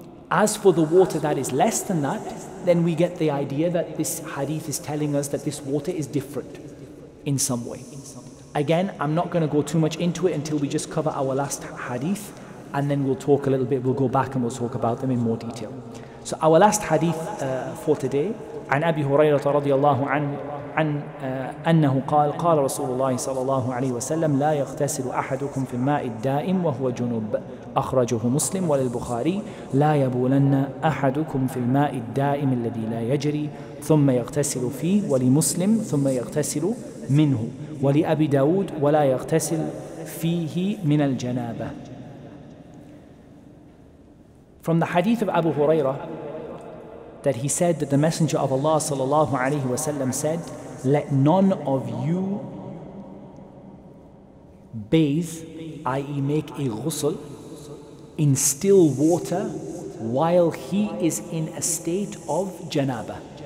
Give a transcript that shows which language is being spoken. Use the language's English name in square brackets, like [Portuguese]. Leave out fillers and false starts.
[English] As for the water that is less than that, then we get the idea that this hadith is telling us that this water is different in some way. Again, I'm not going to go too much into it until we just cover our last hadith, and then we'll talk a little bit, we'll go back and we'll talk about them in more detail. So our last hadith for today, [Arabic] عن أبي هريرة رضي الله عنه عن أنه قال قال رسول الله صلى الله عليه وسلم لا يغتسل أحدكم في الماء الدائم وهو جنوب أخرجه مسلم وللبخاري لا يبولن أحدكم في الماء الدائم الذي لا يجري ثم يغتسل فيه ولمسلم ثم يغتسل منه ولأبي داود ولا يغتسل فيه من الجنابة. [English] From the hadith of Abu Hurairah that he said that the Messenger of Allah sallallahu alaihi wasallam said, let none of you bathe, i.e. make a ghusl, in still water while he is in a state of janaba.